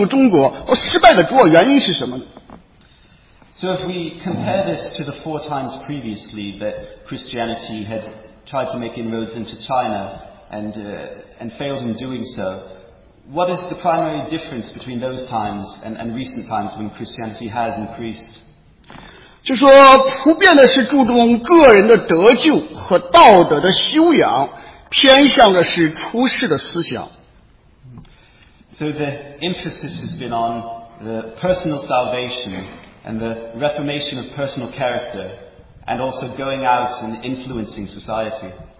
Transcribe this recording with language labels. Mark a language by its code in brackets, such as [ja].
[zh] 就说当初基督教四次来华，甚至包括马利逊，基督教进入中国，失败的主要原因是什么呢？ [en] So if we compare this to the four times previously that Christianity had tried to make inroads into China and failed in doing so, What is the primary difference between those times and recent times when Christianity has increased? [zh] 就说普遍的是注重个人的得救和道德的修养，偏向的是出世的思想。 [en] So the emphasis has been on the personal salvation and the reformation of personal character and also going out and influencing society.